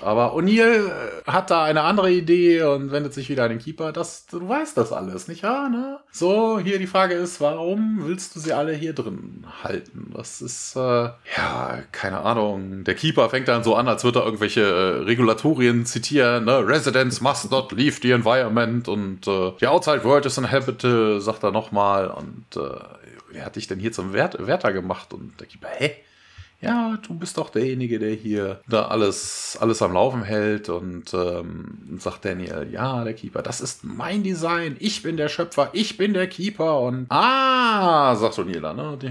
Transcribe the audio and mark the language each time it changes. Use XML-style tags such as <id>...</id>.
<de>Aber O'Neill hat da eine andere Idee und wendet sich wieder an den Keeper. Du weißt das alles, nicht wahr? Ne? So, hier die Frage ist, warum willst du sie alle hier drin halten? Das ist, keine Ahnung. Der Keeper fängt dann so an, als würde er irgendwelche Regulatorien zitieren. Ne?</de> <en>Residents must not leave the environment. Und the outside world is inhabited,</en> <de>sagt er nochmal. Und wer hat dich denn hier zum Wärter gemacht? Und der Keeper, ja, du bist doch derjenige, der hier da alles am Laufen hält. Und sagt Daniel, ja, der Keeper, das ist mein Design. Ich bin der Schöpfer, ich bin der Keeper. Und sagt Daniela, ne?</de>